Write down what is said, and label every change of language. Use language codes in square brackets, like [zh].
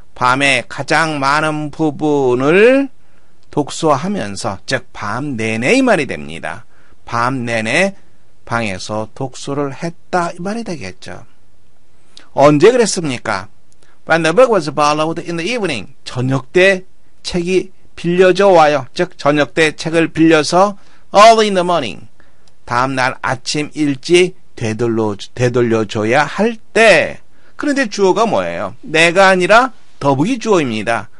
[ko] 밤에 가장 많은 부분을 독서하면서 즉 밤 내내 이 말이 됩니다. 밤 내내 방에서 독서를 했다 이 말이 되겠죠. 언제 그랬습니까? [en] When the book was borrowed in the evening. [ko] 저녁 때 책이 빌려져 와요. 즉 저녁 때 책을 빌려서 [en] early in the morning. [ko] 다음날 아침 일찍 되돌려줘야 할 때. 그런데 주어가 뭐예요? 내가 아니라 더보기 주어입니다.